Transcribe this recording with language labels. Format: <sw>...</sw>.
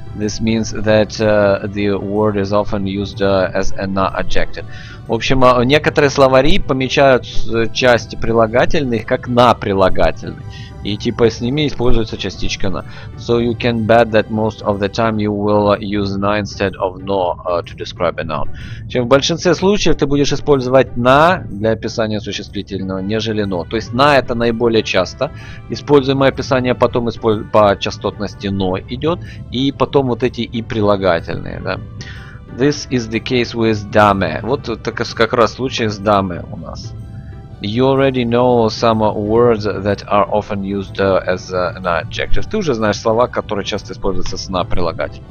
<en>This means that the word is often used as a na adjective.</en> <ru>В общем, некоторые словари помечают части прилагательных как на прилагательные. И типа с ними используется частичка на.</ru> <en>So you can bet that most of the time you will use na instead of no to describe a noun.</en> <ru>Чем в большинстве случаев ты будешь использовать на для описания существительного, нежели но. То есть на это наиболее часто используемое описание, потом по частотности но идет, и потом вот эти и прилагательные. Да.</ru> <en>This is the case with даме.</en> <ru>Вот так как раз случай с даме у нас.</ru> <en>You already know some words that are often used as an adjective.</en> <ru>Ты уже знаешь слова, которые часто используются с на прилагательным.</ru>